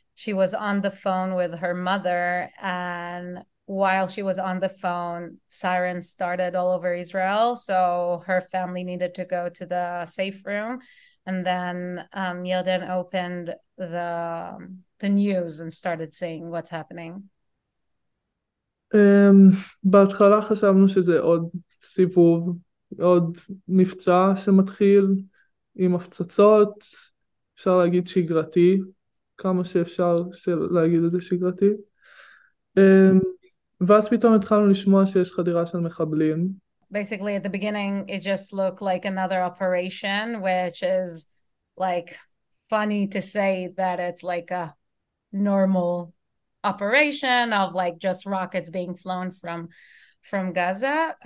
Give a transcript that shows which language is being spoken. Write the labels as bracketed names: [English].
[English] She was on the phone with her mother, and while she was on the phone, sirens started all over Israel. So her family needed to go to the safe room. And then Yelden opened the news and started seeing what's happening. [Hebrew] בהתחלה חשבנו שזה עוד סיבוב, עוד מבצע שמתחיל עם הפצצות, אפשר להגיד שגרתי, כמה שאפשר להגיד את זה שגרתי. ואז פתאום התחלנו לשמוע שיש חדירה של מחבלים. [English] Basically, at the beginning, it just looked like another operation, which is like funny to say that it's like a normal operation of like just rockets being flown from Gaza.